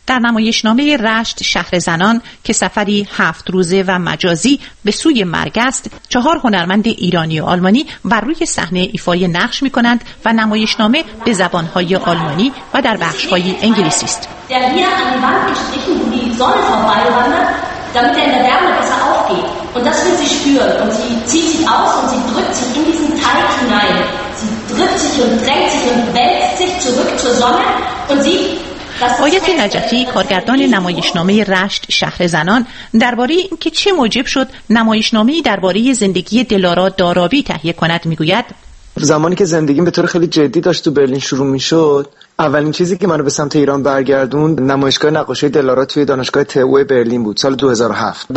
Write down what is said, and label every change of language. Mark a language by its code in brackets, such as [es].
[fa] در نمایشنامه رشت شهر زنان که سفری 7 روزه و مجازی به سوی مرگ است، 4 هنرمند ایرانی و آلمانی بر روی صحنه ایفای نقش میکنند و نمایشنامه به زبانهای آلمانی و در بخشهای انگلیسی است. [de] Damit er in der Wärme besser aufgeht. Und das wird sie spüren. Und sie zieht sich aus und sie drückt sich in diesen Teig hinein. Sie drückt sich und drängt sich und wälzt sich zurück zur Sonne und sieht. [fa] آیت نجفی، کارگردان نمایشنامه رشت شهر زنان، درباره اینکه چه موجب شد نمایشنامه‌ای درباره زندگی دلارا داراوی تهیه کند میگوید: زمانی که زندگیم به طور خیلی جدی داشت تو برلین شروع میشد، اولین چیزی که منو به سمت ایران برگردون نمایشگاه نقاشی دلارا توی دانشگاه تئو برلین بود، سال 2007.